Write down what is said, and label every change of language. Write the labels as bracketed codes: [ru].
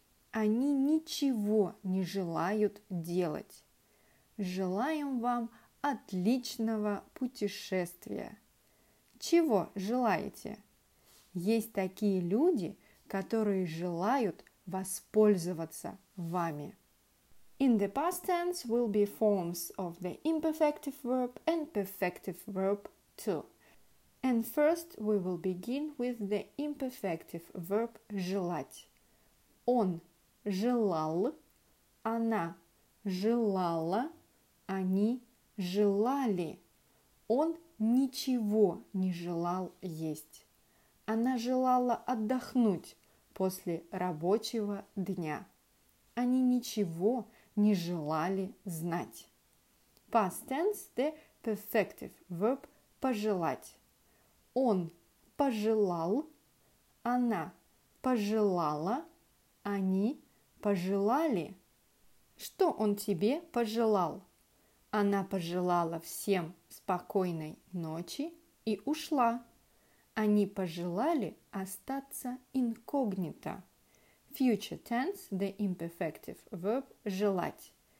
[ru] Они ничего не желают делать. Желаем вам отличного путешествия. Чего желаете? Есть такие люди, которые желают воспользоваться вами. [en] In the past tense will be forms of the imperfective verb and perfective verb too. And first we will begin with the imperfective verb желать. [ru] Он желал, она желала, они желали. Он ничего не желал есть. Она желала отдохнуть после рабочего дня. Они ничего не желали знать. [en] Past tense, the perfective verb пожелать. [ru] Он пожелал, она пожелала, они пожелали. Что он тебе пожелал? Она пожелала всем спокойной ночи и ушла. Они пожелали остаться инкогнито. [en] Future tense, the imperfective verb желать.